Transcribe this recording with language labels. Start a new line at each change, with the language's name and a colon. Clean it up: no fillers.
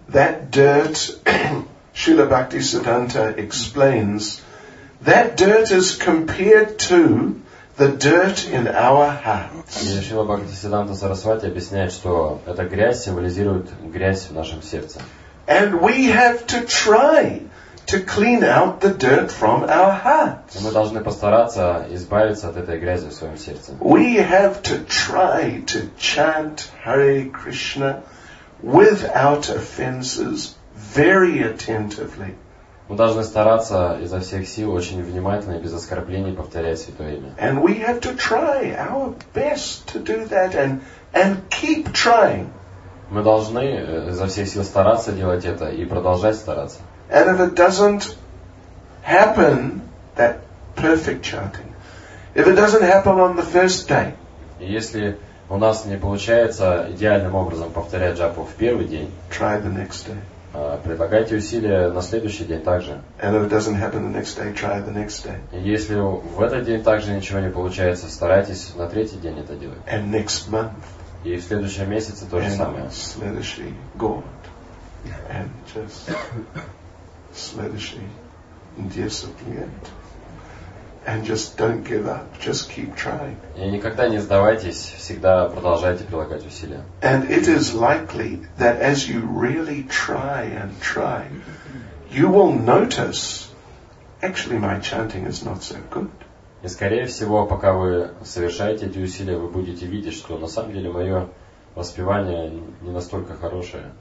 English: That dirt, Srila Bhaktisiddhanta explains, that dirt is compared to the dirt in our hearts.
Russian: Шрила Бхактисиддханта Сарасвати объясняет, что эта грязь символизирует грязь в нашем сердце.
English: And we have to try to clean out the dirt from our hearts.
Russian: Мы должны постараться избавиться от этой грязи в своем сердце.
English: We have to try to chant Hare Krishna without offenses very attentively.
Russian: Мы должны стараться изо всех сил очень внимательно и без оскорблений повторять святое имя.
English: And we have to try our best to do that and keep trying.
Russian: Мы должны изо всех сил стараться делать это и продолжать стараться.
English: And if it doesn't happen, that perfect chanting. If it doesn't happen on the first day.
Russian: Если у нас не получается идеальным образом повторять джапу в первый день,
English: try the next day.
Russian: Прилагайте усилия на следующий день также.
English: And if it doesn't happen the next day, try the next day.
Russian: Если в этот день также ничего не получается, старайтесь на третий день это делать.
English: And next month.
Russian: И в следующем месяце то же самое. And следующий год. And just следующий disciplined.
English: And just don't give up. Just keep trying.
Russian: И никогда не сдавайтесь. Всегда продолжайте прилагать усилия.
English: And it is likely that as you really try and try, you will notice, actually my chanting is not so good.
Russian: И скорее всего, пока вы совершаете эти усилия, вы будете видеть, что на самом деле мое воспевание не настолько хорошее.